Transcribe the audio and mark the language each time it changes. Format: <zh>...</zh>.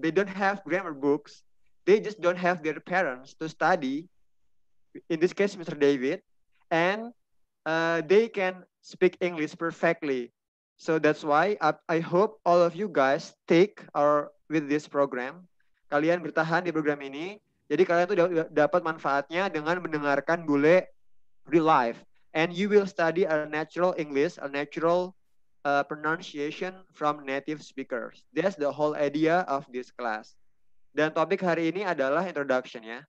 <en>They don't have grammar books. They just don't have their parents to study. In this case, Mr. David. And they can speak English perfectly. So that's why I hope all of you guys stick with this program.</en> <id>Kalian bertahan di program ini. Jadi kalian tuh dapat manfaatnya dengan mendengarkan Bule real life.</id> <en>And you will study a natural English, a natural pronunciation from native speakers. That's the whole idea of this class.</en> <id>Dan topik hari ini adalah introduction ya.</id>